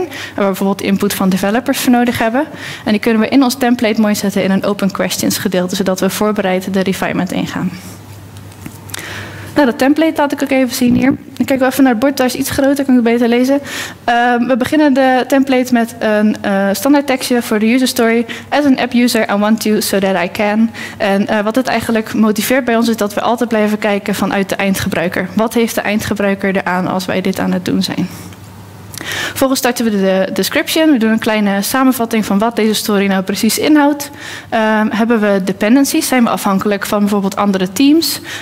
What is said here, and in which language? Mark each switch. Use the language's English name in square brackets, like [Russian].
[Dutch] Waar we bijvoorbeeld input van developers voor nodig hebben. En die kunnen we in ons template mooi zetten in een open questions gedeelte. Zodat we voorbereid de refinement ingaan. Nou, dat template laat ik ook even zien hier. Dan kijken we even naar het bord, daar is iets groter, kan ik het beter lezen. We beginnen de template met een standaard tekstje voor de user story. [English] As an app user, I want to, so that I can. [Dutch] En wat het eigenlijk motiveert bij ons is dat we altijd blijven kijken vanuit de eindgebruiker. Wat heeft de eindgebruiker eraan als wij dit aan het doen zijn? Vervolgens starten we de description. We doen een kleine samenvatting van wat deze story nou precies inhoudt. Hebben we dependencies? Zijn we afhankelijk van bijvoorbeeld andere teams?